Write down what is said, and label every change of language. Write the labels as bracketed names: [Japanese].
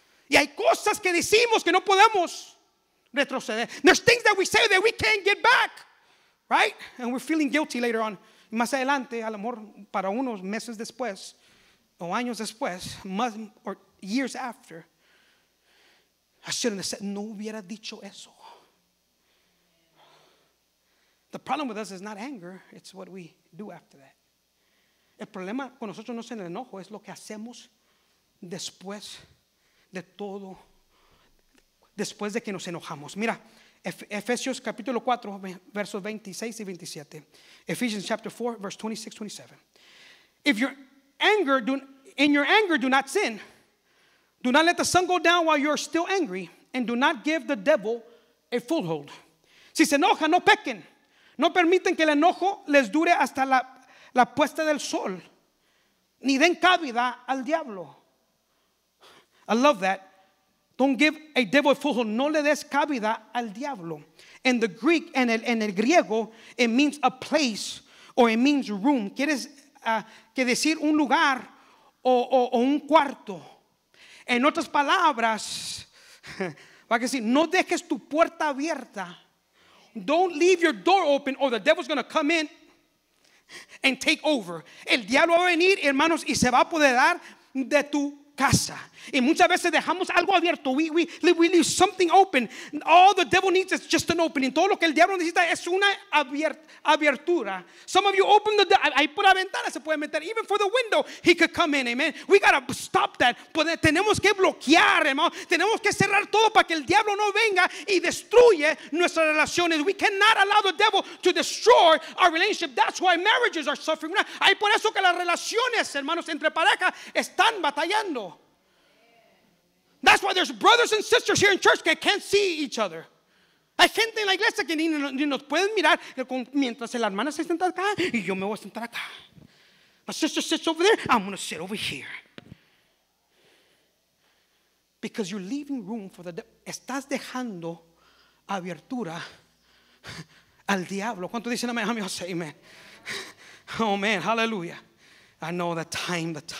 [Spanish] Y hay cosas que decimos que no podemos retroceder. [English] There's things that we say that we can't get back. Right? And we're feeling guilty later on. [Spanish] Más adelante, a lo mejor para unos meses después, o años después, [English] or years after, I shouldn't have said, [Spanish] no hubiera dicho eso. [English] The problem with us is not anger, it's what we do after that. [Spanish] El problema con nosotros no es el enojo, es lo que hacemos después de todo, después de que nos enojamos. Mira, Efesios capítulo 4, versos 26 y 27. [English] Ephesians chapter 4, verse 26-27. In your anger, do not sin. Do not let the sun go down while you are still angry, and do not give the devil a foothold. [Spanish] Si se enoja, no pequen. No permiten que el enojo les dure hasta la puesta del sol. Ni den cabida al diablo. [English] I love that. Don't give a devil a foothold. [Spanish] No le des cabida al diablo. [English] In the Greek, [Spanish] en el griego, [English] it means a place or it means room. [Spanish] Quieres que decir un lugar o un cuarto. En otras palabras, para que decir, no dejes tu puerta abierta. [English] Don't leave your door open or the devil's going to come in and take over. [Spanish] El diablo va a venir, hermanos, y se va a apoderar de tu casa. Y muchas veces dejamos algo abierto. [English] We leave something open. All the devil needs is just an opening. [Spanish] Todo lo que el diablo necesita es una abertura. [English] Some of you open the door. [Spanish] Ahí por la ventana se puede meter. [English] Even for the window, he could come in. Amen. We got to stop that. [Spanish] Tenemos que bloquear, hermano. Tenemos que cerrar todo para que el diablo no venga y destruye nuestras relaciones. [English] We cannot allow the devil to destroy our relationship. That's why marriages are suffering. [Spanish] Ahí por eso que las relaciones, hermanos, entre parejas están batallando. [English] That's why there's brothers and sisters here in church that can't see each other. [Spanish] Hay gente en la iglesia que ni nos pueden mirar mientras la hermana se sienta acá y yo me voy a sentar acá. [English] My sister sits over there, I'm going to sit over here. Because you're leaving room for the devil. [Spanish] Estás dejando abertura al diablo. ¿Cuánto dicen amén? Amén. [English] Amen. Oh man, hallelujah. I know the time.